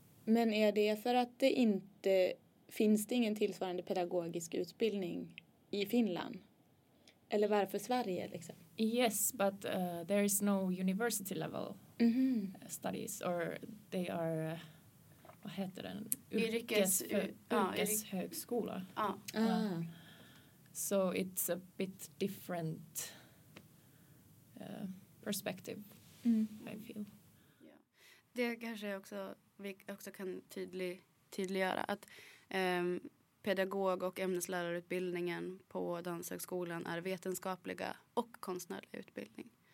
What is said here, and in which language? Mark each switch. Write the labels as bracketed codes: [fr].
[sv] Men är det för att det inte finns det ingen tillsvarande pedagogisk utbildning i Finland? Eller varför Sverige liksom? [en] Yes, but there is no university level studies, or they are, [sv] vad heter den? Yrkeshögskola. [en] So it's a bit different perspective, I feel. [sv] Ja. Det kanske också, vi också kan tydliggöra att pedagog- och ämneslärarutbildningen på Danshögskolan är vetenskapliga och konstnärliga utbildning.